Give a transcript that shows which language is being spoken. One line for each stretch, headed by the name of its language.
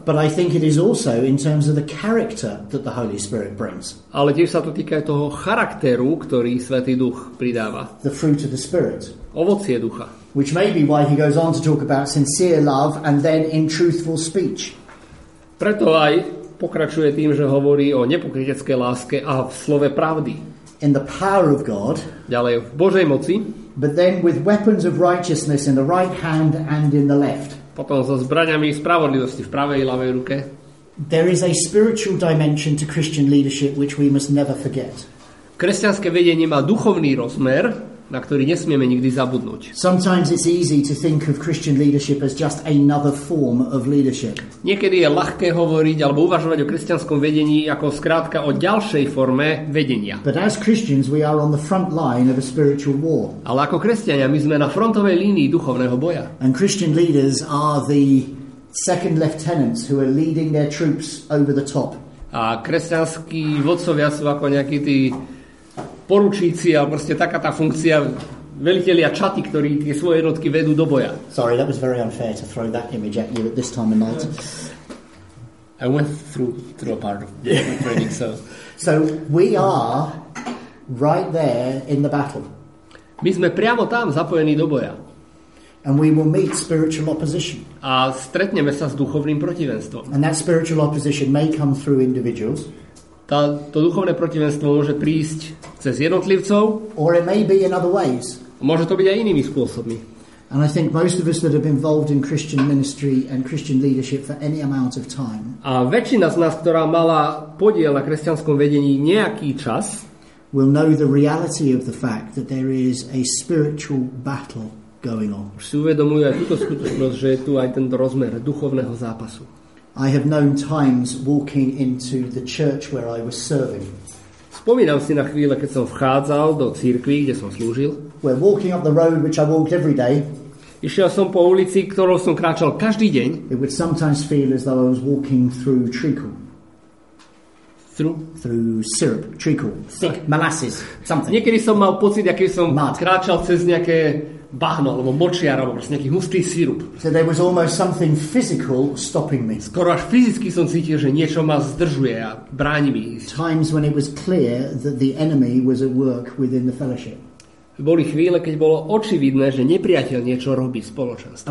English: But I think it is also in terms of the character that the Holy Spirit brings.
Slovak: Ale tiež sa to týka toho charakteru, ktorý Svätý Duch pridáva.
English: The fruit of the Spirit.
Slovak: Ovocie Ducha.
English: Which may be why he goes on to talk about sincere love and then in truthful speech.
Slovak: Preto aj pokračuje tým, že hovorí o nepokryteckej láske a v slove pravdy.
English: In the power of God.
Slovak: Ďalej v Božej moci.
English: But then with weapons of righteousness in the right hand and in the left.
Slovak: Potom so zbraňami spravodlivosti v pravej i ľavej ruke.
English: There is a spiritual dimension to Christian leadership which we must never forget.
Slovak: Kresťanské vedenie má duchovný rozmer, na ktorý nesmieme nikdy zabudnúť.
English: Sometimes it's easy to think of Christian leadership as just another form of leadership.
Slovak: Niekedy je ľahké hovoriť alebo uvažovať o kresťanskom vedení ako skrátka o ďalšej forme vedenia.
English: But as Christians we are on the front line of a spiritual war.
Slovak: Ale ako kresťania my sme na frontovej línii duchovného boja.
English: And Christian leaders are the second lieutenants who are leading their troops over the top.
Slovak: A kresťanskí vodcovia sú ako nejakí tí poručíci, alebo proste taká tá funkcia velitelia čaty, ktorí tie svoje jednotky vedú do boja.
English: Sorry, that was very unfair to throw that image at you at this time of night. I went through a part of the training, so... So we are right there in the battle.
Slovak: My sme priamo tam zapojení do boja.
English: And we will meet spiritual opposition.
Slovak: A stretneme sa s duchovným protivenstvom.
English: And that spiritual opposition may come through individuals.
Slovak: To duchovné protivenstvo môže prísť cez jednotlivcov.
English: Or it may be in other ways.
Slovak: Môže to byť aj inými spôsobmi.
English: And I think most of us that have been involved in Christian ministry and Christian leadership for any amount of time.
Slovak: A väčšina z nás, ktorá mala podiel na kresťanskom vedení nejaký čas,
English: will know the reality of the fact that there is a spiritual battle going on.
Slovak: Si uvedomujú aj túto skutočnosť, že je tu aj tento rozmer duchovného zápasu.
English: I have known times walking into the church where I was serving.
Slovak: Spomínam si na chvíle, keď som vchádzal do cirkvi, kde som slúžil.
English: We're walking up the road which I walked every day.
Slovak: Išiel som po ulici, ktorou som kráčal každý deň.
English: It would sometimes feel as though I was walking through treacle. Through syrup, treacle, thick, molasses, something.
Slovak: Niekedy som mal pocit, aký som
English: mud.
Slovak: Kráčal cez nejaké bahno, alebo močiar, alebo proste nejaký hustý sirup.
English: So there was almost something physical stopping me.
Slovak: Skoro až fyzicky som cítil, že niečo ma zdržuje a bráni mi.
English: Times when it was clear that the enemy was at work within the fellowship.
Slovak: Boli chvíle, keď bolo očividné, že nepriateľ niečo robí v spoločenstve.